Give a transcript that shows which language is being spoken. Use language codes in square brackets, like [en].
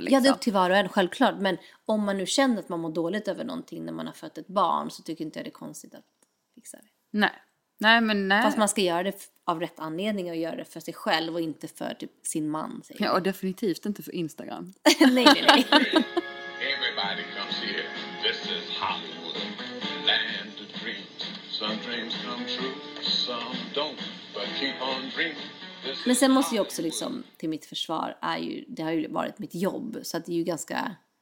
[sv] liksom. Ja, det är upp till var och en, självklart. Men om man nu känner att man mår dåligt över någonting när man har fött ett barn, så tycker inte jag det är konstigt att fixa det. Nej. Nej, men nej. Fast man ska göra det av rätt anledning och göra det för sig själv och inte för typ sin man. Ja, och definitivt inte för Instagram. Nej. [en] Everybody comes here. This is Hollywood. Land of dreams. Some dreams come true, some don't. But keep on dreaming. [sv] Men sen måste jag också liksom, till mitt försvar, är ju, det har ju varit mitt jobb, så att det är ju ganska